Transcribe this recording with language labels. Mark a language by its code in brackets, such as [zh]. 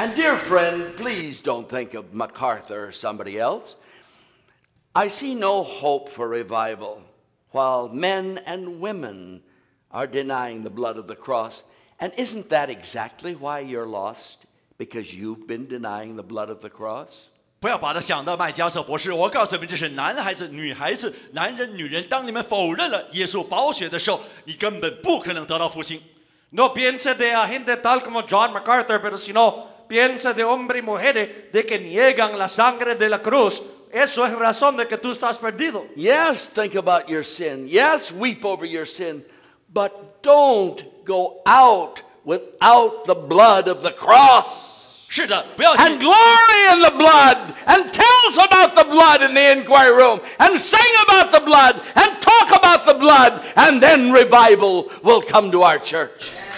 [en] And dear friend, please don't think of MacArthur or somebody else. I see no hope for revival while men and women are denying the blood of the cross. And isn't that exactly why you're lost? Because you've been denying the blood of the cross? [zh] 不要把它想到麦加瑟博士，我告诉你们，这是男孩子、女孩子、男人、女人。当你们否认了耶稣宝血的时候，你根本不可能得到复兴。 [es] No piense de la gente tal como John MacArthur, pero si no piense de hombres y mujeres de que niegan la sangre de la cruz, eso es razón de que tú estás perdido. [en] Yes, think about your sin. Yes, weep over your sin, but don't go out without the blood of the cross. And glory in the blood, and tell us about the blood in the inquiry room, and sing about the blood, and talk about the blood, and then revival will come to our church.